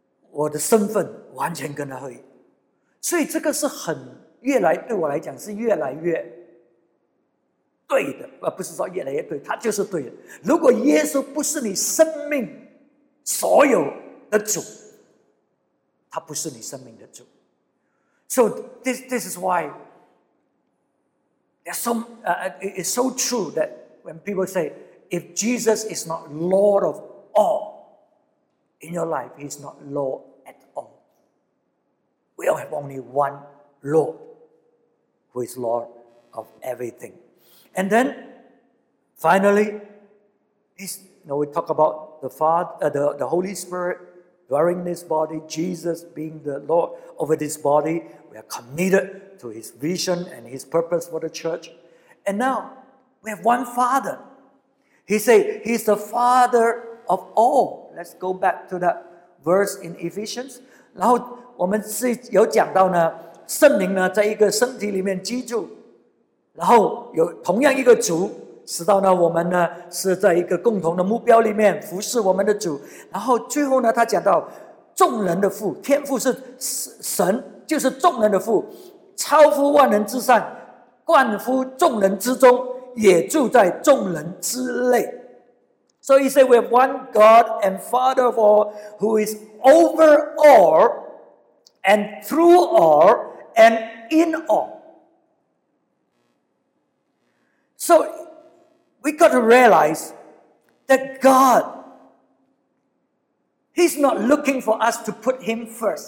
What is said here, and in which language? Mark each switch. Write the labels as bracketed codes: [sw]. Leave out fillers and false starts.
[zh] 我的身份完全跟他合一，所以这个是很越来对我来讲是越来越对的，不是说越来越对，他就是对的。如果耶稣不是你生命所有的主，他不是你生命的主。 [en] So this is why there's it's so true that when people say if Jesus is not Lord of all in your life, He's not Lord. We all have only one Lord, who is Lord of everything. And then, finally, we talk about the Father, the Holy Spirit dwelling in this body, Jesus being the Lord over this body. We are committed to His vision and His purpose for the church. And now, we have one Father. He said, He's the Father of all. Let's go back to that verse in Ephesians. [zh] Now,我们是有讲到呢，圣灵呢，在一个身体里面居住，然后有同样一个主，使到呢我们呢是在一个共同的目标里面服侍我们的主。然后最后呢，他讲到众人的父，天父是神，就是众人的父，超乎万人之上，冠乎众人之中，也住在众人之内。 [en] So he said, we have one God and Father of all, who is over all, and through all, and in all. So we got to realize that God, he's not looking for us to put him first.